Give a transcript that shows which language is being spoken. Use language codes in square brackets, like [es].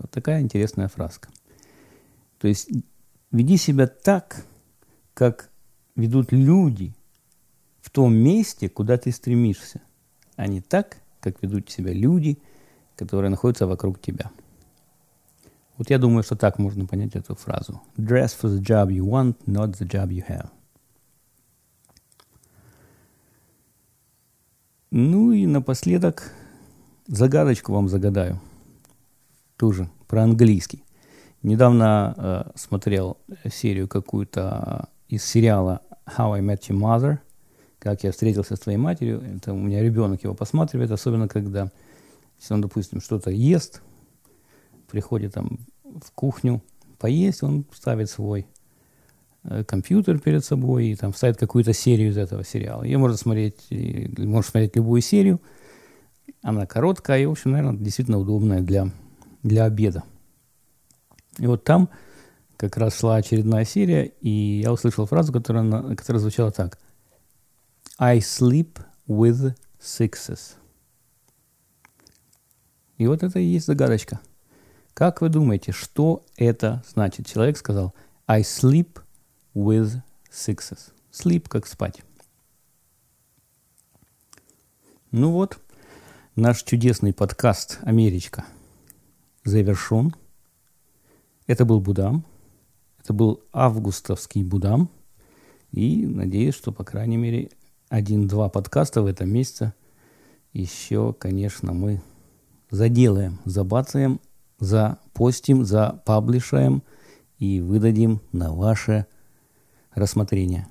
[ru] Вот такая интересная фразка. То есть веди себя так, как ведут люди в том месте, куда ты стремишься, а не так, как ведут себя люди, которые находятся вокруг тебя. Вот я думаю, что так можно понять эту фразу. [en] Dress for the job you want, not the job you have. [ru] Ну и напоследок загадочку вам загадаю. Тоже про английский. Недавно смотрел серию какую-то из сериала How I Met Your Mother. Как я встретился с твоей матерью. Это у меня ребенок его посматривает, особенно когда если он, допустим, что-то ест, приходит там в кухню поесть, он ставит свой компьютер перед собой и там ставит какую-то серию из этого сериала. Ее можно смотреть, можно смотреть любую серию. Она короткая и, в общем, наверное, действительно удобная для обеда. И вот там как раз шла очередная серия, и я услышал фразу, которая звучала так. [en] I sleep with sixes. [ru] И вот это и есть загадочка. Как вы думаете, что это значит? Человек сказал [en] I sleep with sixes. [ru] Sleep как спать. Ну вот, наш чудесный подкаст «Америчка» завершен. Это был Будам. Это был августовский Будам. И надеюсь, что, по крайней мере, 1-2 подкаста в этом месяце еще, конечно, мы заделаем, забацаем, запостим, запаблишаем и выдадим на ваше рассмотрение.